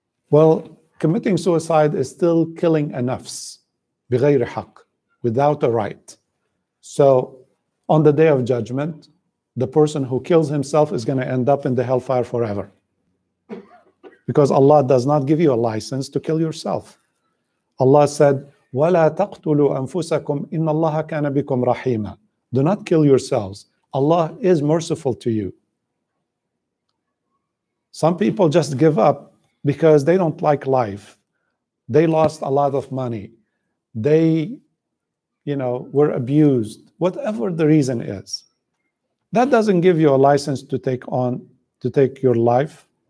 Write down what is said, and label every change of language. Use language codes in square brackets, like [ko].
[en] Well, committing suicide is still killing a nafs, [ar] بغير حق, [en] without a right. So on the day of judgment, the person who kills himself is going to end up in the hellfire forever. Because Allah does not give you a license to kill yourself. Allah said, [ar] وَلَا تَقْتُلُوا أَنفُسَكُمْ إِنَّ اللَّهَ كَانَ بِكُمْ رَحِيمًا. [en] Do not kill yourselves. Allah is merciful to you. Some people just give up because they don't like life. They lost a lot of money. They, you know, were abused. Whatever the reason is, that doesn't give you a license to take your life.